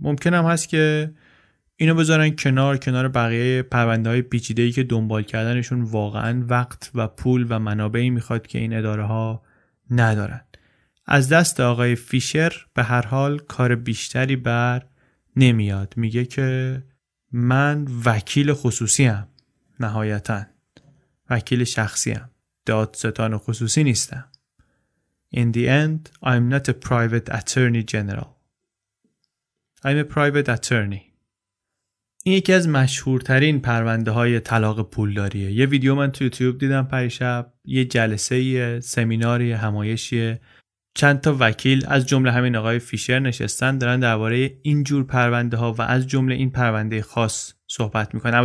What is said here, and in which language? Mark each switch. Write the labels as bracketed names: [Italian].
[Persian] ممکن هم هست که اینو بذارن کنار بقیه پرونده‌های پیچیده‌ای که دنبال کردنشون واقعا وقت و پول و منابعی میخواد که این اداره ها ندارن. از دست آقای فیشر به هر حال کار بیشتری بر نمیاد. میگه که من وکیل خصوصیم، نهایتا وکیل شخصیم، دادستان خصوصی نیستم. [English] In the end I'm not a private attorney general, I'm a private attorney. [Persian] این یکی از مشهورترین پرونده های طلاق پولداریه. یه ویدیو من تو یوتیوب دیدم پریشب، یه جلسه، یه سمینار، یه همایشی، چند تا وکیل از جمله همین آقای فیشر نشستن دارن درباره این جور پرونده ها و از جمله این پرونده خاص صحبت میکنن.